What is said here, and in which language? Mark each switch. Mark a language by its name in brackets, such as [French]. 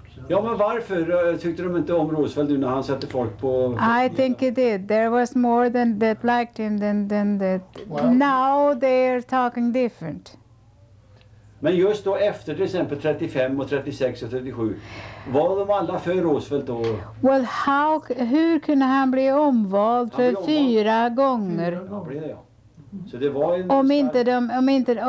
[Swedish] Ja, men varför tyckte de inte om Roosevelt när han satte folk på? [English] I think he did. There was more than that liked him than that. Well, now they're talking different. [Swedish] Men just då efter till exempel 35 och 36 och 37, var de alla för Roosevelt då? Well, hur kunde han bli omvald för fyra gånger? Han blev det, ja. Så det var en